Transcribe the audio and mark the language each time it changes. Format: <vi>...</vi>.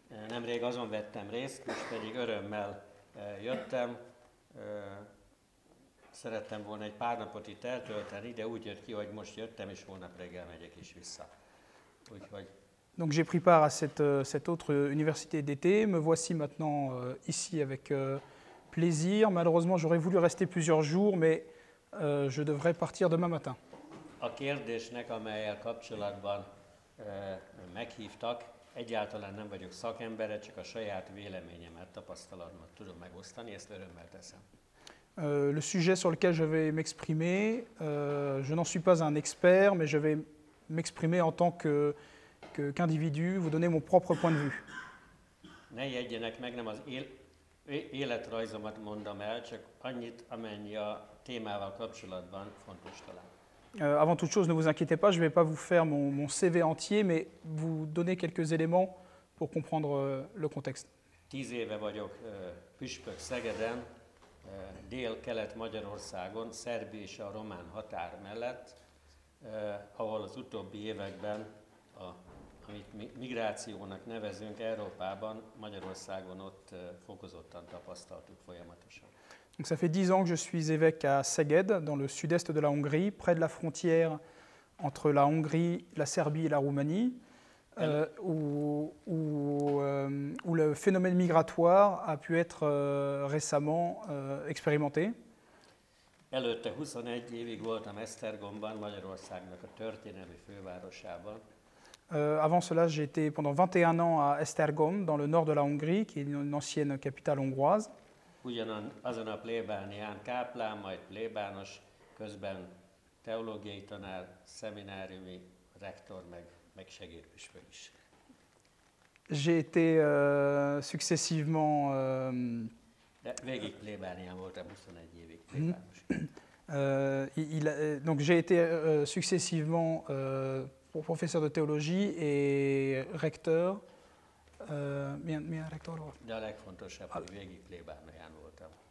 <hu>Nemrég azon vettem részt, most pedig örömmel jöttem. Szerettem volna egy pár napot itt eltölteni, de úgy jött ki, hogy most jöttem, és holnap reggel megyek is vissza. Úgyhogy...</hu> <fr>Donc j'ai pris part à cette autre université d'été. Me voici maintenant ici avec plaisir. Malheureusement, j'aurais voulu rester plusieurs jours, mais je devrais partir demain matin.</fr> <hu>A kérdésnek, amelyel kapcsolatban meghívtak, egyáltalán nem vagyok szakembere, csak a saját véleményemet, tapasztalatomat tudom megosztani, ezt örömmel teszem.</hu> <fr>Le sujet sur lequel je vais m'exprimer, je n'en suis pas un expert, mais je vais m'exprimer en tant qu'individu, vous donner mon propre point de vue.</fr> <hu>Ne jegyenek meg, nem az életrajzomat mondom el, csak annyit, amennyi a témával kapcsolatban fontos talán.</hu> <fr>Avant toute chose, ne vous inquiétez pas, je ne vais pas vous faire mon CV entier, mais vous donner quelques éléments pour comprendre le contexte.</fr> <hu>10 éve vagyok püspök Szegeden, dél-kelet Magyarországon, szerbi és a román határ mellett, ahol az utóbbi években, amit migrációnak nevezünk Európában, Magyarországon ott fokozottan tapasztaltuk folyamatosan.</hu> <fr>Donc ça fait 10 ans que je suis évêque à Szeged, dans le sud-est de la Hongrie, près de la frontière entre la Hongrie, la Serbie et la Roumanie, où le phénomène migratoire a pu être récemment expérimenté.</fr> <hu>Előtte 21 évig voltam Esztergomban, Magyarországnak a történelmi fővárosában.</hu> <fr>Avant cela, j'ai été pendant 21 ans à Esztergom, dans le nord de la Hongrie, qui est une ancienne capitale hongroise.</fr> <hu>Ugyanazon a plébánián káplán, majd plébános, közben teológiai tanár, szemináriumi rektor, meg segédpüspök is.</hu> <fr>J'ai été successivement...</fr> <hu>De végig plébánián voltam 21 évig plébános.</hu> <fr>J'ai été successivement professeur de théologie et rektor.</fr> <hu>Milyen rektor volt? De a legfontosabb, hogy végig plébánián voltam.</hu>